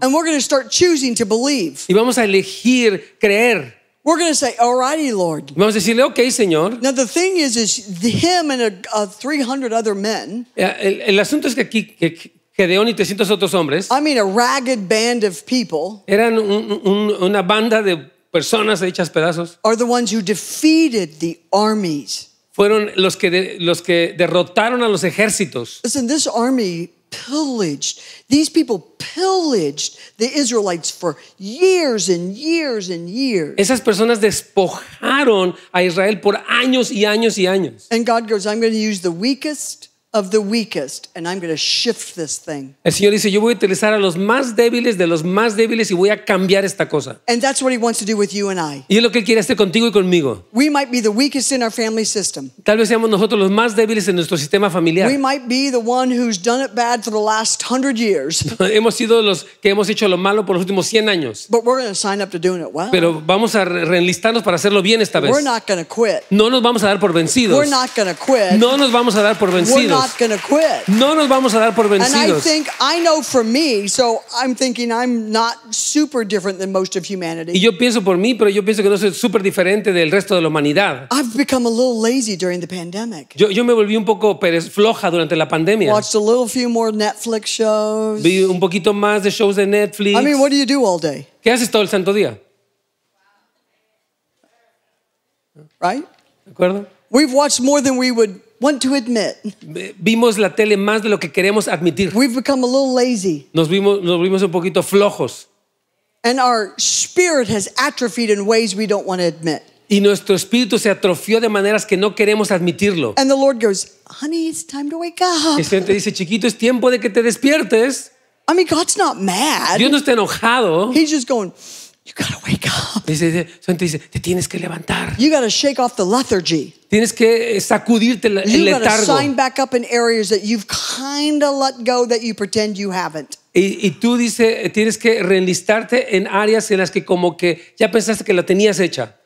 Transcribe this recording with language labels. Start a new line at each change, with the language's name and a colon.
English: And we're going to start choosing to believe.
Spanish: Y vamos a elegir creer.
English: We're going to say, "Alrighty, Lord."
Spanish: Vamos a decirle, okay, Señor.
English: Now the thing is him and a 300 other men.
Spanish: El asunto es que aquí que Gedeón y 300 otros hombres.
English: I mean, a ragged band of people.
Spanish: Eran una banda de personas hechas pedazos.
English: Are the ones who defeated the armies.
Spanish: Fueron los que derrotaron a los ejércitos.
English: Listen, this army pillaged. These people pillaged the Israelites for years and years and years.
Spanish: Esas personas despojaron a Israel por años y años y años.
English: And God goes, I'm going to use the weakest of the weakest, and I'm going to shift this thing.
Spanish: El Señor dice, yo voy a utilizar a los más débiles de los más débiles y voy a cambiar esta cosa.
English: And that's what he wants to do with you and I.
Spanish: Y es lo que quiere hacer contigo y conmigo.
English: We might be the weakest in our family system.
Spanish: Tal vez seamos nosotros los más débiles en nuestro sistema familiar.
English: We might be the one who's done it bad for the last 100 years.
Spanish: Hemos sido los que hemos hecho lo malo por los últimos 100 años.
English: But we're going to sign up to doing it well.
Spanish: Pero vamos a reenlistarnos para hacerlo bien esta vez.
English: We're not going to quit.
Spanish: No nos vamos a dar por vencidos.
English: We're not going to quit.
Spanish: No nos vamos a dar por vencidos.
English: We're not going to quit.
Spanish: No nos vamos a dar por vencidos.
English: And I think, I know for me, so I'm thinking I'm not super different than most of humanity.
Spanish: Y yo pienso por mí, pero yo pienso que no soy super diferente del resto de la humanidad.
English: I've become a little lazy during the pandemic.
Spanish: Yo me volví un poco floja durante la pandemia.
English: Watched a little few more Netflix shows.
Spanish: Vi un poquito más de shows de Netflix.
English: I mean, what do you do all day?
Spanish: ¿Qué haces todo el santo día?
English: Right?
Spanish: ¿De acuerdo?
English: We've watched more than we would want to admit.
Spanish: Vimos la tele más de lo que queremos admitir.
English: We've become a little lazy.
Spanish: Nos volvimos un poquito flojos.
English: And our spirit has atrophied in ways we don't want to admit.
Spanish: Y nuestro espíritu se atrofió de maneras que no queremos admitirlo.
English: And the Lord goes, honey, it's time to wake up.
Spanish: Y el Señor te dice, chiquito, es tiempo de que te despiertes.
English: I mean, God's not mad.
Spanish: Dios no está enojado.
English: He's just going, you gotta wake up.
Spanish: Dice, te tienes que levantar.
English: You gotta shake off the lethargy.
Spanish: Tienes que sacudirte el letargo.
English: You gotta sign back up in areas that you've kind of let go that you pretend you haven't.
Spanish: Y tú dice, tienes que reenlistarte en áreas en las que como que ya pensaste que la tenías hecha.